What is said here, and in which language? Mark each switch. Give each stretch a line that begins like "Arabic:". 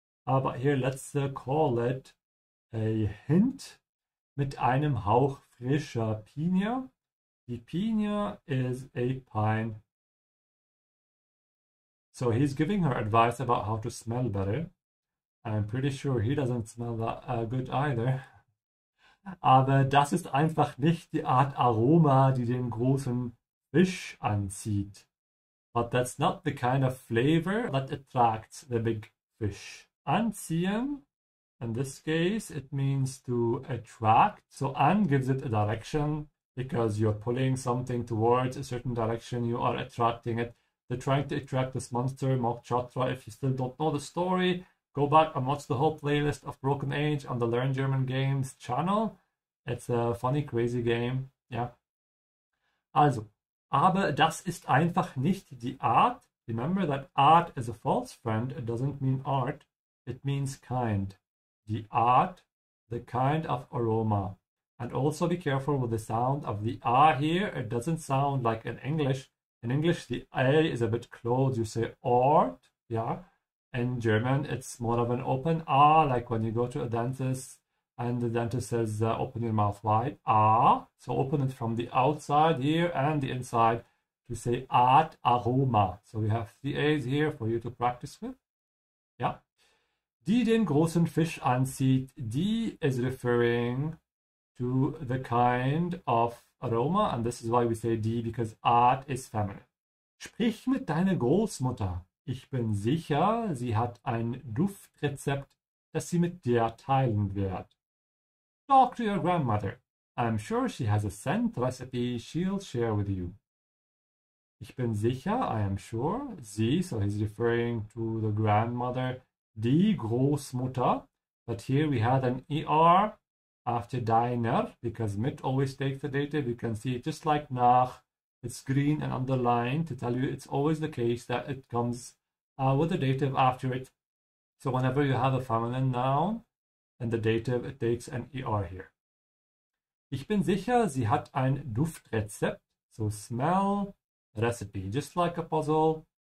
English: But here, let's call it a hint.
German: Mit einem Hauch frischer Pinie.
English: The pina is a pine. So he's giving her advice about how to smell better. I'm pretty sure he doesn't smell that good either.
German: Aber das ist einfach nicht die Art Aroma, die den großen Fisch anzieht.
English: But that's not the kind of flavor that attracts the big fish. Anziehen, in this case, it means to attract. So an gives it a direction. Because you're pulling something towards a certain direction, you are attracting it. They're trying to attract this monster, Mokchatra. If you still don't know the story, go back and watch the whole playlist of Broken Age on the Learn German Games channel. It's a funny, crazy game. Yeah.
German: Also, aber das ist einfach nicht die Art.
English: Remember that art is a false friend. It doesn't mean art. It means kind. Die Art, the kind of aroma. And also be careful with the sound of the A here. It doesn't sound like in English. In English, the A is a bit closed. You say Ort, yeah. In German, it's more of an open A, like when you go to a dentist and the dentist says, open your mouth wide. A. So open it from the outside here and the inside to say Art Aroma. So we have three A's here for you to practice with. Yeah.
German: Die den großen Fisch anzieht.
English: Die is referring to the kind of aroma, and this is why we say die, because art is feminine.
German: Sprich mit deiner Großmutter. Ich bin sicher, sie hat ein Duftrezept, das sie mit dir teilen wird.
English: Talk to your grandmother. I'm sure she has a scent recipe she'll share with you.
German: Ich bin sicher,
English: I am sure, sie, so he's referring to the grandmother, die Großmutter, but here we have an ER, after deiner, because mit always takes the dative, you can see just like nach, it's green and underlined to tell you it's always the case that it comes with the dative after it. So whenever you have a feminine noun and the dative, it takes an er here.
German: Ich bin sicher, sie hat ein Duftrezept,
English: so smell, recipe, just like a puzzle.